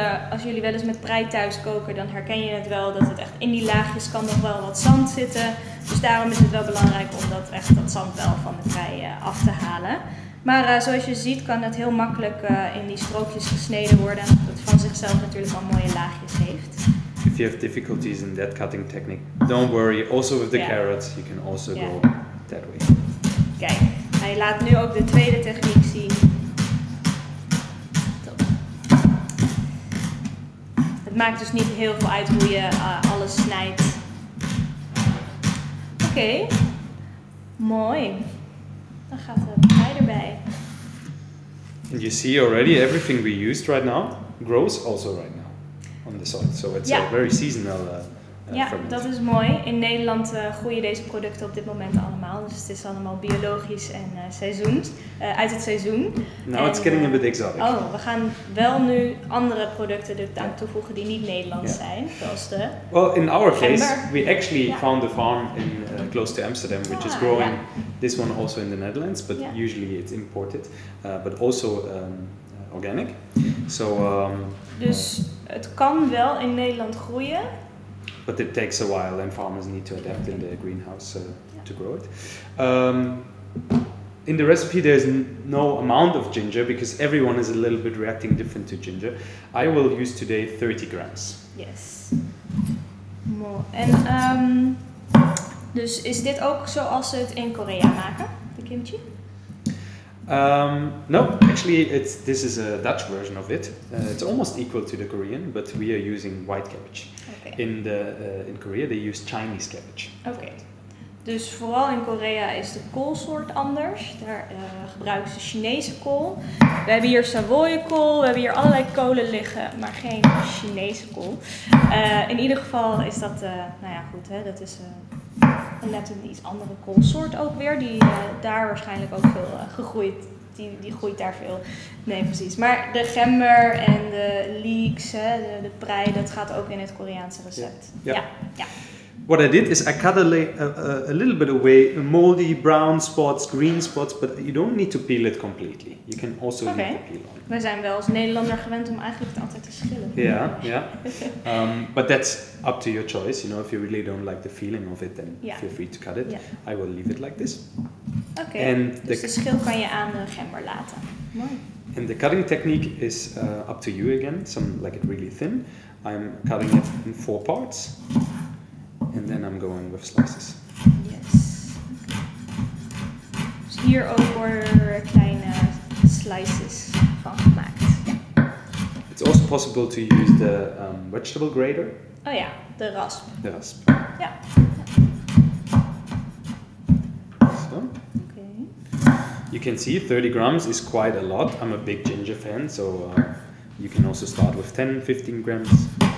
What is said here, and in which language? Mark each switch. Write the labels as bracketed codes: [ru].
[nl] Als jullie wel eens met prei thuis koken, dan herken je het wel dat het echt in die laagjes kan nog wel wat zand zitten. Dus daarom is het wel belangrijk om dat, echt dat zand wel van de prei af te halen. Maar zoals je ziet kan het heel makkelijk in die strookjes gesneden worden. Dat van zichzelf natuurlijk al mooie laagjes heeft. [en] If you have difficulties in that cutting technique, don't worry. Also with the carrots, you can also go that way. [nl] Kijk, hij laat nu ook de tweede techniek zien. Het maakt dus niet heel veel uit hoe je alles snijdt. Oké, mooi. Dan gaat de prei erbij. [en] And you see already everything we used right now grows also right now on the soil. So it's a very seasonal fermentation. [nl] Dat is mooi. In Nederland groeien deze producten op dit moment allemaal. Dus het is allemaal biologisch en uit het seizoen. [en] Now it's getting a bit exotic. [nl] Oh, we gaan wel nu andere producten er aan toevoegen die niet Nederlands zijn. Zoals de [en] Case, we actually found a farm in close to Amsterdam, which is growing this one also in the Netherlands, but usually it's imported, but also organic. So, [nl] dus het kan wel in Nederland groeien. [en] But it takes a while and farmers need to adapt in the greenhouse to grow it. In the recipe there's no amount of ginger because everyone is a little bit reacting different to ginger. I will use today 30 grams. Yes. [nl] En dus is dit ook zoals ze het in Korea maken, de kimchi? [en] No, actually this is a Dutch version of it. It's almost equal to the Korean, but we are using white cabbage. Okay. In Korea they use Chinese cabbage. [nl] Okay. Dus vooral in Korea is de koolsoort anders. Daar gebruiken ze Chinese kool. We hebben hier Savoye kool, we hebben hier allerlei kolen liggen, maar geen Chinese kool. In ieder geval is dat, dat is net een iets andere koolsoort ook weer. Die daar waarschijnlijk ook veel gegroeid, die groeit daar veel. Nee, precies. Maar de gember en de leeks, de prei, dat gaat ook in het Koreaanse recept. Ja. [en] What I did is I cut a little bit away moldy brown spots, green spots, but you don't need to peel it completely. You can also leave the peel on. [nl] We zijn wel als Nederlander gewend om eigenlijk het altijd te schillen. [en] But that's up to your choice. You know, if you really don't like the feeling of it, then feel free to cut it. Yeah. I will leave it like this. Okay. And [nl] dus de schil kan je aan de gember laten. Mooi. [en] And the cutting technique is up to you again. Some like it really thin. I'm cutting it in four parts. And then I'm going with slices. Yes. Okay. [nl] Dus hier ook worden kleine slices van gemaakt. [en] It It's also possible to use the vegetable grater. Oh yeah, the rasp. The rasp. Yeah. So. Okay. You can see 30 grams is quite a lot. I'm a big ginger fan, so you can also start with 10, 15 grams.